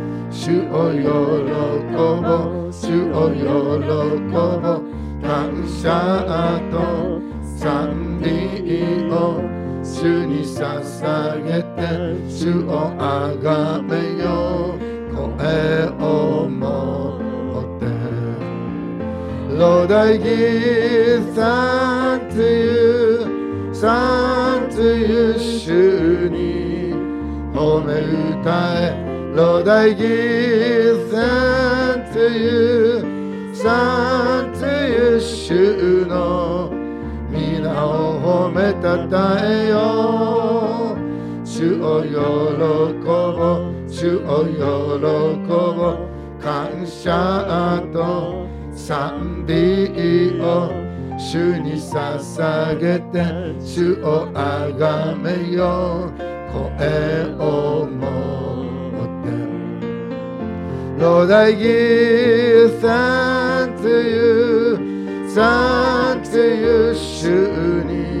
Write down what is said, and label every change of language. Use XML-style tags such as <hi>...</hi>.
<ja>主を喜ぼう、主を喜ぼう、感謝と賛美を主に捧げて、主をあがめよう、声を持って。</ja> <en>Lord I give thanks to you, thanks to you,</en> <ja>主に褒め歌え。</ja> <en>Lord I give thanks to you, thanks to you,</en> <ja>主の皆を褒めたたえよう。主を喜ぼう、主を喜ぼう、感謝と賛美を主に捧げて、主をあがめよう、声を持って。</ja> <en>Lord I give thanks to you, thanks to you,</en> <ja>主に</ja>